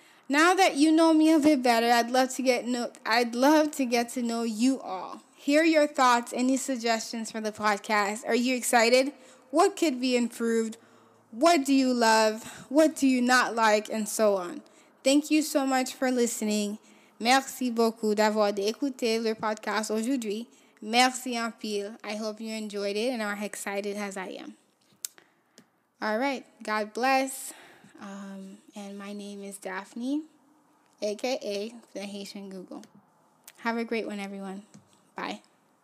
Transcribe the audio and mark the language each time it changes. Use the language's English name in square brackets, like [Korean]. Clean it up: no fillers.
[English] Now that you know me a bit better, I'd love to get to know you all. Hear your thoughts, any suggestions for the podcast. Are you excited? What could be improved? What do you love? What do you not like? And so on. Thank you so much for listening. [French] Merci beaucoup d'avoir écouté le podcast aujourd'hui. Merci en pile. [English] I hope you enjoyed it and are excited as I am. All right. God bless. And my name is Daphne, aka the Haitian Google. Have a great one, everyone. Bye.